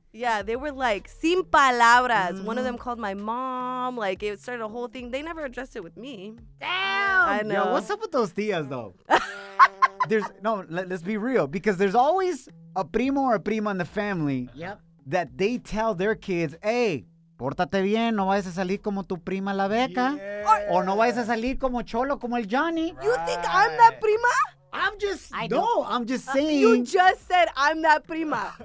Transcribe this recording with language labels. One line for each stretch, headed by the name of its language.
English: Yeah, they were like,
Spanish: sin palabras.
English: Mm. One of them called my mom. Like, it started a whole thing. They never addressed it with me. Damn! I know. Yo, what's up with those tías, though? There's no, let's be real. Because there's always a primo or a prima in the family that they tell their kids, hey,
Spanish: pórtate bien. No vayas a salir como tu prima la Beca.
English: Yeah. Or
Spanish: no vayas a salir como Cholo, como el Johnny.
English: Right. You think I'm that prima? I'm just saying. You just said I'm that prima.